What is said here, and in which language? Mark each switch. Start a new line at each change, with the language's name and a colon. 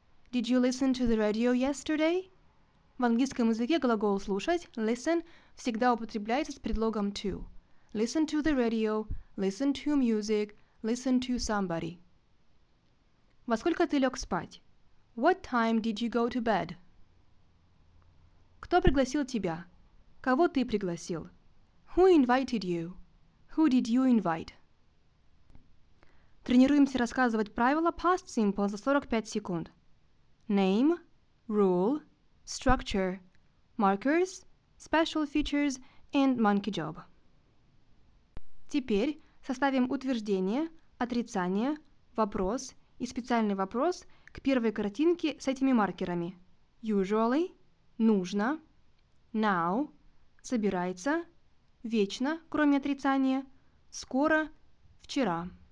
English: Did you listen to the radio yesterday?
Russian: В английском языке глагол «слушать» «listen» всегда употребляется с предлогом «to».
English: Listen to the radio, listen to music, listen to somebody.
Russian: Во сколько ты лег спать?
English: What time did you go to bed?
Russian: Кто пригласил тебя? Кого ты пригласил?
English: Who invited you? Who did you invite?
Russian: Тренируемся рассказывать правила past simple за 45 секунд.
English: Name, rule, structure, markers, special features and monkey job.
Russian: Теперь составим утверждение, отрицание, вопрос и специальный вопрос к первой картинке с этими маркерами. Usually – нужно, now – собирается, вечно, кроме отрицания, скоро, вчера.